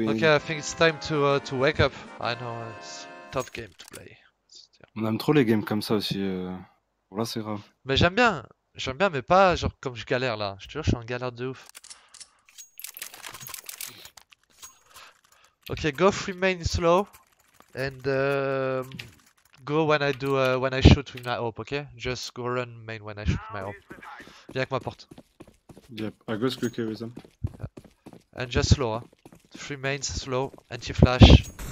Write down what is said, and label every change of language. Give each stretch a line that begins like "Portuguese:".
English: Okay, I think it's time to wake up. I know it's a tough game to play.
French: On aime trop les games comme ça aussi. Voilà, c'est grave. Mais j'aime bien. J'aime bien, mais pas genre comme je galère là. Je te jure, je suis en galère de ouf.
English: Ok, go remain slow and go when I do when I shoot with my AWP, ok? Just go run main when I shoot with my AWP.
French: Viens avec ma porte.
English: Yep, I go quickly with them. Yeah. And just slow, hein. Three mains, slow, anti-flash.